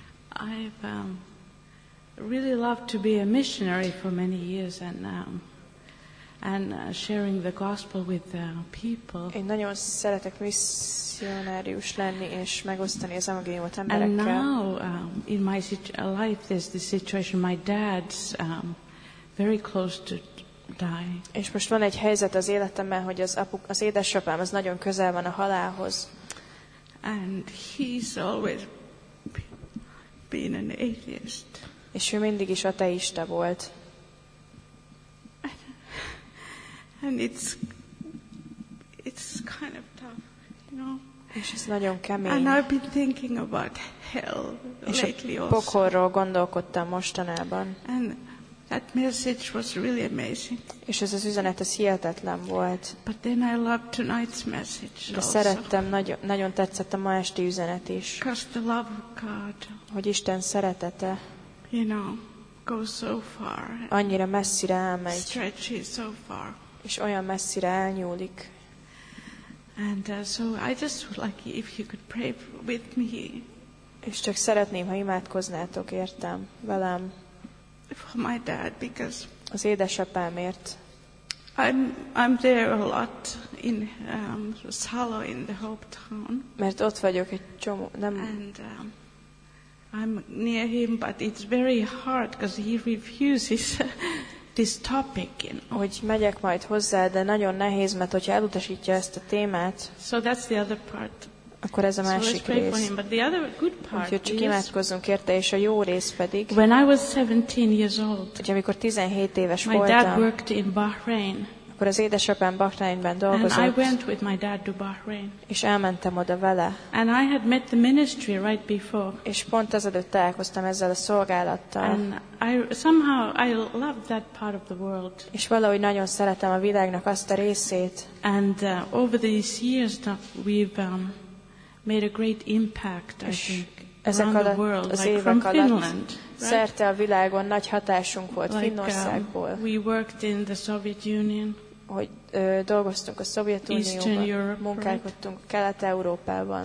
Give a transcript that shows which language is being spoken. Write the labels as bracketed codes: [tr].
[en] I've really loved to be a missionary for many years and sharing the gospel with the people. [hu] Én nagyon szeretek misszionárius lenni és megosztani az evangéliumot emberekkel. [en] And now in my life there's this situation, my dad's very close to die. [hu] És most van egy helyzet az életemben, hogy az édesapám az nagyon közel van a halálhoz. [en] And he's always been an atheist. [hu] És ő mindig is ateista volt. [en] And it's kind of tough, you know. [hu] És ez nagyon kemény. [en] And I've been thinking about hell lately also. [hu] És a pokolról gondolkodtam mostanában. [en] And that message was really amazing. [hu] És ez az üzenet, ez hihetetlen volt. [en] But then I loved tonight's message also. [hu] De szerettem, nagyon tetszett a ma esti üzenet is. [en] Because the love of God. [hu] Hogy Isten szeretete. [en] You know, goes so far. [hu] Annyira messzire elmegy. [en] Stretches so far. [hu] És olyan messzire elnyúlik. [en] And so I just would like if you could pray with me. [hu] És csak szeretném, ha imádkoznátok értem velem. [en] For my dad, because [hu] az édesapámért. [en] I'm there a lot in Salo in the Hope Town. [hu] Mert ott vagyok egy csomó, nem. [en] And I'm near him, but it's very hard because he refuses. This topic, you know. [hu] Hogy megyek majd hozzá, de nagyon nehéz, mert hogyha elutasítja ezt a témát, [en] so that's the other part. [hu] Akkor ez a másik rész. [en] Him, but the other good part, [hu] úgyhogy csak imádkozzunk érte, és a jó rész pedig, [en] when I was 17 years old, [hu] hogy amikor 17 éves [en] my [hu] voltam, [en] dad worked in Bahrain, [hu] akkor az édesapám Bahrainben dolgozott, [en] and I went with my dad to Bahrain, [hu] és elmentem oda vele. [en] And I had met the ministry right before, [hu] és pont azelőtt találkoztam ezzel a szolgálattal. [en] And I loved that part of the world. [hu] És valahogy nagyon szeretem a világnak azt a részét. [en] And over these years we've made a great impact, I think, around the world, like from Finland. Right? [hu] Szerte a világon nagy hatásunk volt, [en] like, [hu] Finnországból. [en] We worked in the Soviet Union. [hu] Hogy dolgoztunk a Szovjetunióban, munkálkodtunk Kelet-Európában,